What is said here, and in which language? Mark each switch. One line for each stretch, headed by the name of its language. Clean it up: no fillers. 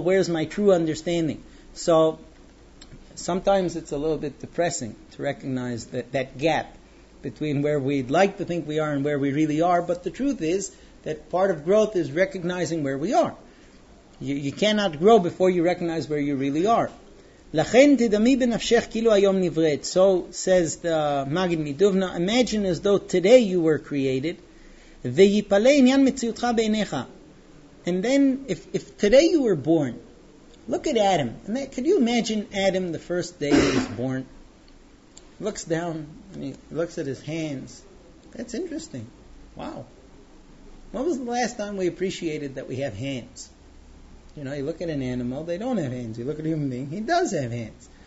English: Where is my true understanding? So sometimes it's a little bit depressing to recognize that gap between where we'd like to think we are and where we really are. But the truth is that part of growth is recognizing where we are. You cannot grow before you recognize where you really are.
Hebrew: לכן תדמי בנפשך כאילו היום נבראת.
English: So says the Magen Midubna, imagine as though today you were created.
Hebrew: ויפלא עניין מציאותך בעיניך.
English: And then, if today you were born, look at Adam. Could you imagine Adam the first day he was born? Looks down and he looks at his hands. That's interesting. Wow. When was the last time we appreciated that we have hands? You know, you look at an animal, they don't have hands. You look at a human being, he does have hands.